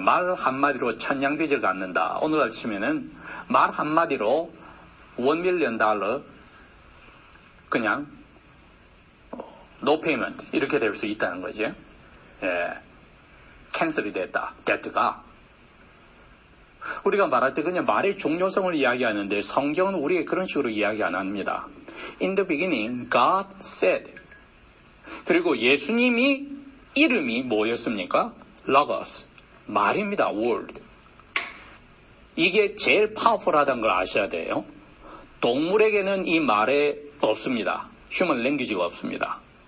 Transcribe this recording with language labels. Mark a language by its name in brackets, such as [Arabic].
[Korean] 말 한마디로 천냥빚을 갚는다. 오늘날 치면은 말 한마디로 $1,000,000 그냥 [English] no payment [Korean] 이렇게 될 수 있다는 거지. 예. 캔슬이 됐다. 데트가. 우리가 말할 때 그냥 말의 중요성을 이야기하는데 성경은 우리에게 그런 식으로 이야기 안 합니다. [English] In the beginning, God said. [Korean] 그리고 예수님이 이름이 뭐였습니까? Logos. 말입니다. Word. 이게 제일 파워풀하다는 걸 아셔야 돼요. 동물에게는 이 말에 없습니다. [English] Human language [Korean] 가 없습니다.